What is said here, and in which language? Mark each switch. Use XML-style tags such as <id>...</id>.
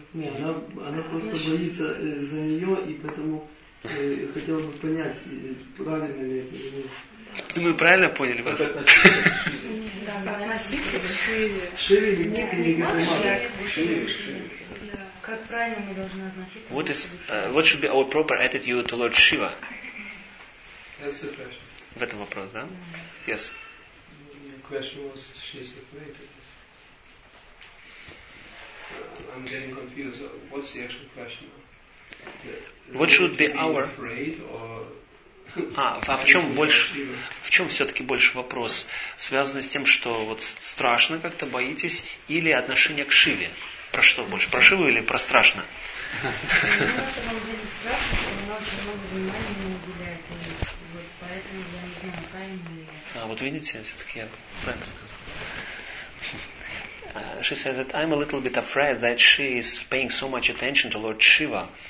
<ru>Не, она просто боится за нее, и поэтому хотела бы понять, правильно ли это или нет. Думаю, правильно поняли вас? Да, относиться к Шиве. Шиве или нет? Шиве, Шиве. Как правильно мы должны относиться?</ru> <en>What is what should be our proper attitude toward Shiva?</en> <ru>В этом вопрос, да? Yes.</ru> <en>Question was, she is separated. I'm getting confused. What's the actual question? What should be our... Afraid or...</en> <ru>А в чем больше, в чем все-таки больше вопрос? Связанный с тем, что вот страшно как-то, боитесь, или отношение к Шиве? Про что больше? Про Шиву или про страшно? На самом деле страшно, что она очень много внимания не уделяет. Вот поэтому я не знаю, правильно ли. А вот видите, все-таки я правильно сказал.</ru> <en>She says that I'm a little bit afraid that she is paying so much attention to Lord Shiva.</en>